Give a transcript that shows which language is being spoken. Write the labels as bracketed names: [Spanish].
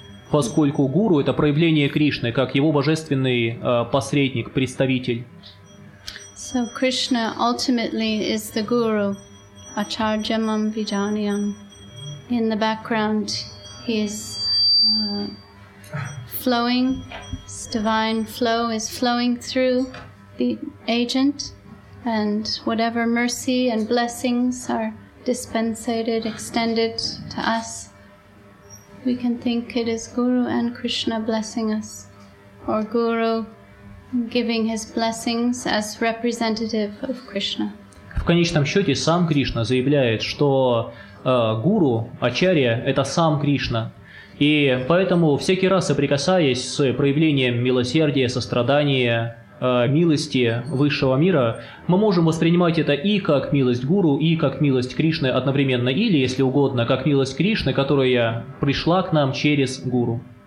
[Russian] Поскольку Гуру — это проявление Кришны, как его божественный посредник, представитель. [English] So Krishna ultimately is the Guru, Acharyamam Vijaniyam. In the background, he is flowing. His divine flow is flowing through the agent, and whatever mercy and blessings are dispensated, extended to us, we can think it is Guru and Krishna blessing us, or Guru giving his blessings as representative of Krishna. [Russian] В конечном счете сам Кришна заявляет, что гуру, ачарья — это сам Кришна. И поэтому всякий раз, соприкасаясь с проявлением милосердия, сострадания, милости высшего мира, мы можем воспринимать это и как милость гуру, и как милость Кришны одновременно, или, если угодно, как милость Кришны, которая пришла к нам через гуру.